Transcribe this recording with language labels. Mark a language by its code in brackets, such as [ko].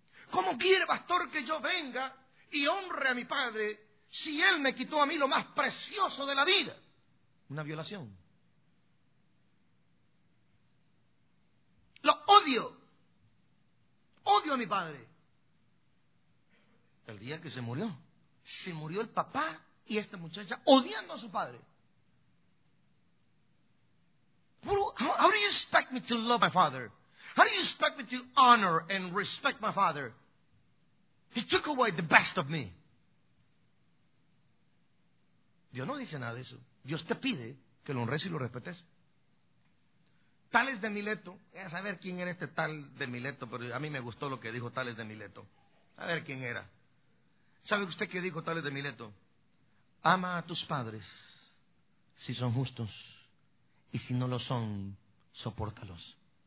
[es] ¿Cómo quiere, pastor, que yo venga y honre a mi padre si él me quitó a mí lo más precioso de la vida? Una violación. Lo odio. Odio a mi padre. El día que se murió el papá y esta muchacha odiando a su padre. [en] How do you expect me to love my father? How do you expect me to honor and respect my father? He took away the best of me. [es] Dios no dice nada de eso. Dios te pide que lo honres y lo respetes. Tales de Mileto, a saber quién era este tal de Mileto, pero a mí me gustó lo que dijo Tales de Mileto. A ver quién era. ¿Sabe usted qué dijo Tales de Mileto? Ama a tus padres si son justos, y si no lo son, sopórtalos.